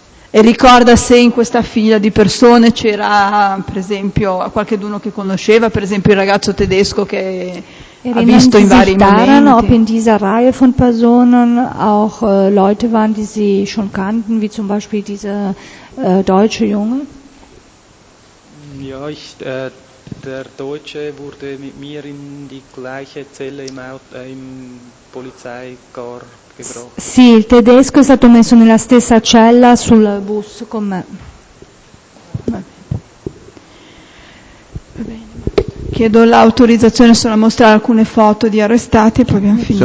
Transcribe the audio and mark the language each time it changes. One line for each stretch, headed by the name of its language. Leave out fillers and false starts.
Italian: E ricorda se in questa fila di persone c'era, per esempio, qualcheduno che conosceva, per esempio il ragazzo tedesco che ha visto in vari momenti.
German: Ob in dieser Reihe von Personen auch Leute waren, die sie schon kannten, wie zum Beispiel dieser deutsche Junge? Ja, der Deutsche wurde mit mir in die gleiche Zelle im Polizeikorps gebracht.
Italian: Sì, il tedesco è stato messo nella stessa cella sul bus con me. Chiedo l'autorizzazione solo a mostrare alcune foto di arrestati e poi abbiamo finito.